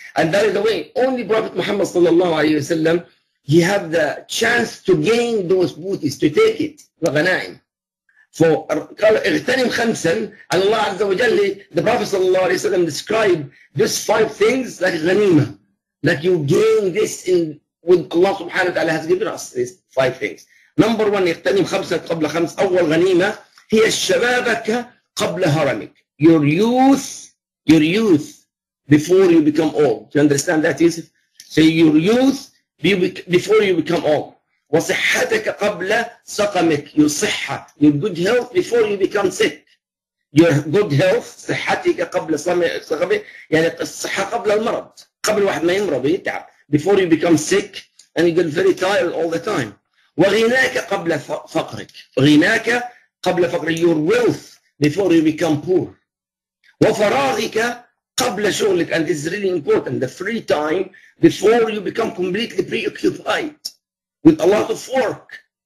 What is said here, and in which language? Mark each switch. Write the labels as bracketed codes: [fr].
[en] And that is the way only Prophet Muhammad sallallahu alayhi wa sallam, he had the chance to gain those booties, to take it. [ar] غنائم. [en] So, [ar] اغتنم خمسا, [en] and Allah Azza wa Jalla, the Prophet Sallallahu Alaihi Wasallam described these five things like ghanima, like you gain this in with Allah Subhanahu wa Ta'ala has given us these five things. Number one, [ar] اغتنم خمسا قبل خمس, أول غنيمة هي الشبابك قبل هرمك. [en] Your youth before you become old. Do you understand that, Yusuf? Say so your youth before you become old. [ar] وصحتك قبل سقمك, [en] your صحة, your good health before you become sick. Your good health, [ar] صحتك قبل سقمك, يعني الصحة قبل المرض, قبل واحد ما يمرض يتعب. [en] Before you become sick and you get very tired all the time. [ar] وغناك قبل فقرك, غناك قبل فقرك, [en] your wealth before you become poor. [ar] وفراغك قبل شغلك, [en] and this is really important, the free time before you become completely preoccupied with a lot of work.